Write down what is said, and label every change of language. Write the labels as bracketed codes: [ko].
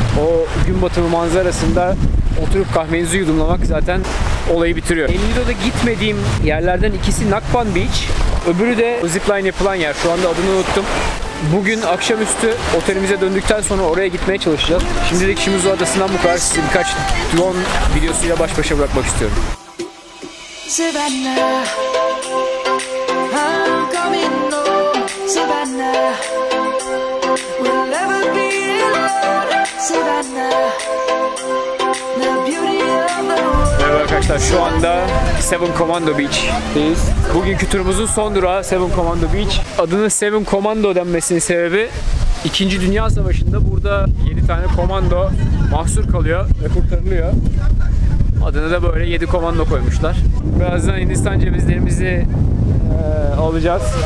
[tr] O gün batımı manzarasında oturup kahvenizi yudumlamak zaten olayı bitiriyor. El Nido'da gitmediğim yerlerden ikisi Nakpan Beach, öbürü de zipline yapılan yer. Şu anda adını unuttum. Bugün akşamüstü otelimize döndükten sonra oraya gitmeye çalışacağız. Şimdilik Shimizu Adası'ndan bu kadar. Sizi birkaç drone videosuyla baş başa bırakmak istiyorum. [en] Savannah, I'm coming home. Savannah, we'll never be alone. Savannah, the beauty of the world. [tr] Merhaba arkadaşlar, şu anda Seven Commando Beach'teyiz. Bugünkü turumuzun son durağı Seven Commando Beach. Adının Seven Commando denmesinin sebebi, 2. Dünya Savaşı'nda burada 7 tane komando mahsur kalıyor ve kurtarılıyor. Adını da böyle 7 komando koymuşlar. Birazdan Hindistan cevizlerimizi alacağız.